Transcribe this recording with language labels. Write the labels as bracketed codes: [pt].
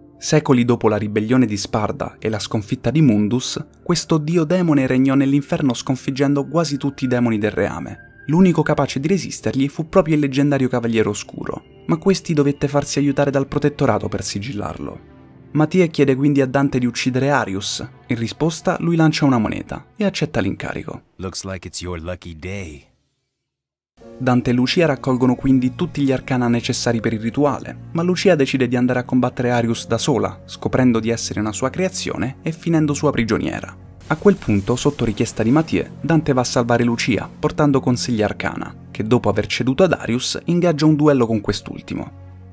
[it] Secoli dopo la ribellione di Sparda e la sconfitta di Mundus, questo dio demone regnò nell'inferno sconfiggendo quasi tutti i demoni del reame. L'unico capace di resistergli fu proprio il leggendario Cavaliere Oscuro, ma questi dovette farsi aiutare dal protettorato per sigillarlo. Matie chiede quindi a Dante di uccidere Arius. In risposta, lui lancia una moneta e accetta l'incarico. [en] Looks like it's your lucky day. [it] Dante e Lucia raccolgono quindi tutti gli arcana necessari per il rituale, ma Lucia decide di andare a combattere Arius da sola, scoprendo di essere una sua creazione e finendo sua prigioniera. A quel punto, sotto richiesta di Matie, Dante va a salvare Lucia, portando con sé gli arcana, che dopo aver ceduto ad Arius, ingaggia un duello con quest'ultimo.